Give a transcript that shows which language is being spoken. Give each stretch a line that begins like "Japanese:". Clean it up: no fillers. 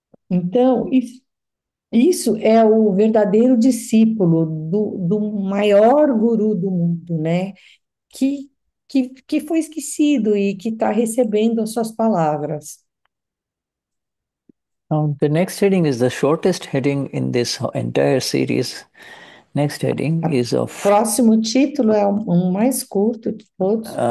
Portuguese: Então, isso é o verdadeiro discípulo do maior guru do mundo, né? Que foi esquecido e que está recebendo as suas palavras.
English: The next heading is the shortest heading in this entire series. Next heading
Portuguese: Próximo título é o mais curto de todos.